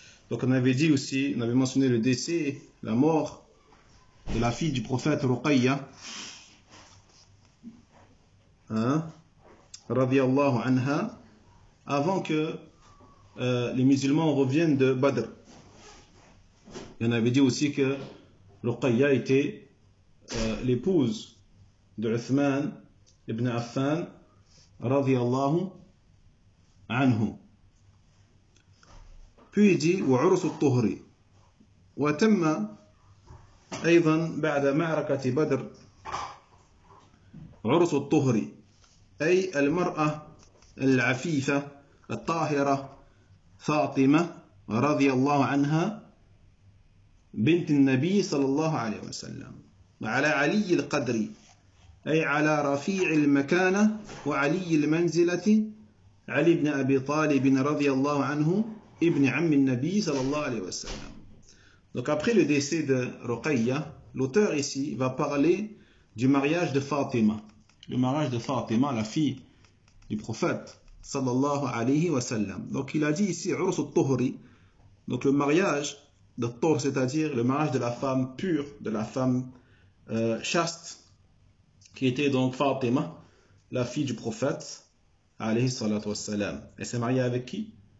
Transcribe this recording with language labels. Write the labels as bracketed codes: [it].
[fr] Donc on avait dit aussi, on avait mentionné le décès, la mort de la fille du prophète Ruqayya, radiallahu anha, avant que les musulmans reviennent de Badr. Et on avait dit aussi que Ruqayya était l'épouse de Uthman ibn Affan, radiallahu anhu. Puis il dit, [ar] « وعرس الطهري وتم أيضا بعد معركة بدر عرس الطهري أي المرأة العفيفة الطاهرة فاطمة رضي الله عنها بنت النبي صلى الله عليه وسلم وعلى علي القدري أي على رفيع المكانة وعلي المنزلة علي بن أبي طالب رضي الله عنه ابن عم النبي صلى الله عليه وسلم. [fr] Donc après le décès de Ruqayya, l'auteur ici va parler du mariage de Fatima. Le mariage de Fatima, la fille du prophète [ar] صلى الله عليه وسلم. [fr] Donc il a dit ici [ar] عرس الطهري. [fr] Donc le mariage de Tor, c'est-à-dire le mariage de la femme pure, de la femme chaste, qui était donc Fatima, la fille du prophète [ar] عليه الصلاة والسلام. [fr] Elle s'est mariée avec qui?